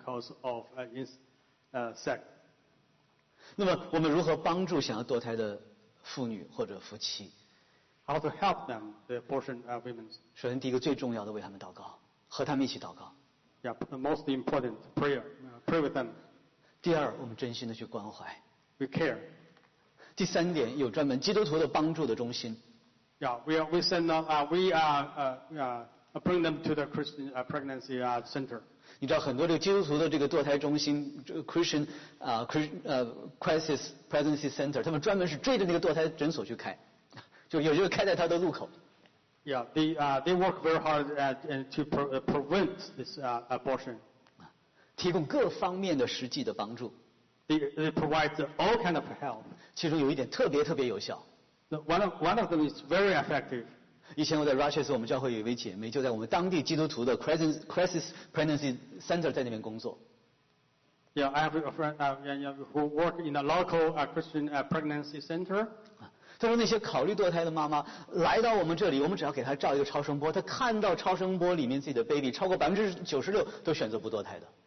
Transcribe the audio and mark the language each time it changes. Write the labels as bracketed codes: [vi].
[en] Yeah, I don't have enough time to tell details today, but I will show you that maximum 1% of women obtained abortion because they became pregnant through rape, and less than 0.5% because of incest. [zh] 那么我们如何帮助想要堕胎的妇女或者夫妻 [en] ？How to help them, the abortion women? [zh] 首先，第一个最重要的，为他们祷告，和他们一起祷告。 [en] Yeah, the most important prayer, pray with them. [zh] 第二，我们真心的去关怀。 [en] We care. [zh] 第三点，有专门基督徒的帮助的中心。 [en] Yeah, we bring them to the Christian pregnancy center. [zh] 你知道很多这个基督徒的这个堕胎中心 ，Christian crisis pregnancy center， 他们专门是追着那个堕胎诊所去开，就有一个开在他的路口。 [en] Yeah, they work very hard at to prevent this abortion. [zh] 提供各方面的实际的帮助。 [en] They provide all kind of help. [zh] 其中有一点特别特别有效。 [en] One of them is very effective. [zh] 以前我在 Rochester 我们教会有一位姐妹，就在我们当地基督徒的 Crisis Pregnancy Center 在那边工作。 [en] Yeah, I have a friend who work in a local Christian pregnancy center. [zh] 他说那些考虑堕胎的妈妈来到我们这里，我们只要给她照一个超声波，她看到超声波里面自己的 baby， 超过 96% 都选择不堕胎的。